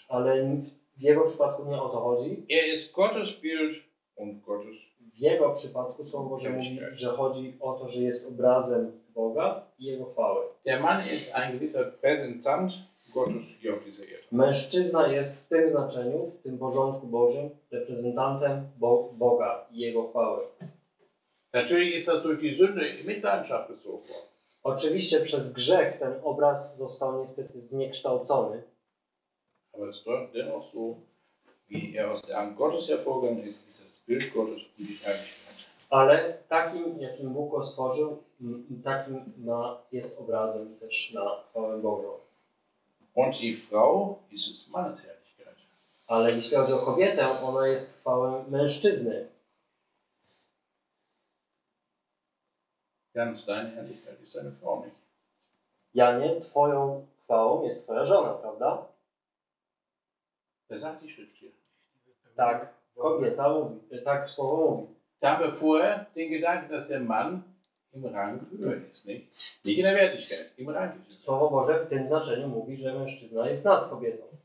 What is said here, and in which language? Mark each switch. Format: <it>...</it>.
<pl>Ale w jego przypadku nie o to chodzi.</pl> <de>Er ist Gottes Bild und Gottes.</de> <pl>W jego przypadku Słowo Boże mówi, że chodzi o to, że jest obrazem Boga i Jego chwały.</pl> <de>Der Mann ist ein gewisser Repräsentant Gottes hier auf dieser Erde.</de> <pl>Mężczyzna jest w tym znaczeniu, w tym porządku Bożym, reprezentantem Boga i Jego chwały.</pl> <de>Natürlich ist das durch die Sünde in Mitleidenschaft gezogen worden.</de> <pl>Oczywiście przez grzech ten obraz został niestety zniekształcony.</pl> <de>Aber es ist dennoch so, wie er aus der Hand Gottes hervorgegangen ist, ist das Bild Gottes und die Herrlichkeit.</de> <pl>Ale takim, jakim Bóg go stworzył, takim na, jest obrazem też na chwałę Bogu.</pl> <de>Und die Frau ist es Mannes Herrlichkeit.</de> <pl>Ale jeśli chodzi o kobietę, ona jest chwałą mężczyzny.</pl> <de>Ganz deine Herrlichkeit ist deine Frau nicht.</de> <pl>Janie, twoją chwałą jest twoja żona, prawda?</pl> <de>Das sagt die Schrift hier.</de> <pl>Tak, kobieta mówi, tak słowo mówi.</pl> <de>Da haben wir vorher den Gedanken, dass der Mann im Rang höher ist, nicht? Nicht in der Wertigkeit, im Rang ist.</de> <pl>Słowo Boże w tym znaczeniu mówi, że mężczyzna jest nad kobietą.</pl>